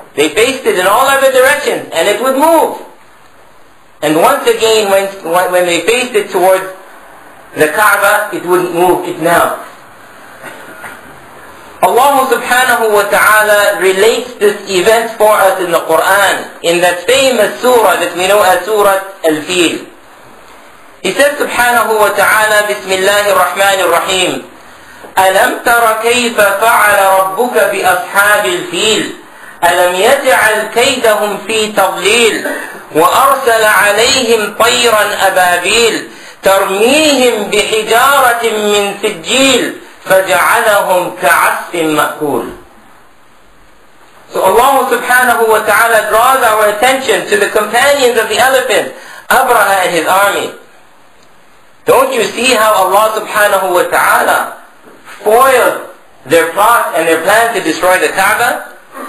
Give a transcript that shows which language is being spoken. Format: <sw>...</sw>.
<en>They faced it in all other directions, and it would move. And once again, when they faced it towards the Kaaba, it wouldn't move, it knelt. Allah subhanahu wa ta'ala relates this event for us in the Qur'an, in that famous surah that we know as Surah Al-Fil. He says subhanahu wa ta'ala, Bismillahir Rahmanir Raheem,</en> <ar>أَلَمْ تَرَ كَيْفَ فَعَلَ رَبُّكَ بِأَصْحَابِ الْفِيلِ أَلَمْ يَجْعَلْ كَيْدَهُمْ فِي تَضْلِيلٍ وَأَرْسَلَ عَلَيْهِمْ طَيْرًا أَبَابِيلَ تَرْمِيهِمْ بِحِجَارَةٍ مِّن سِجِّيلٍ فَجَعَلَهُمْ كَعَصْفٍ مَّأْكُولٍ.</ar> <en>So Allah subhanahu wa ta'ala draws our attention to the companions of the elephant, Abraha and his army. Don't you see how Allah subhanahu wa ta'ala foiled their plot and their plan to destroy the Kaaba?</en>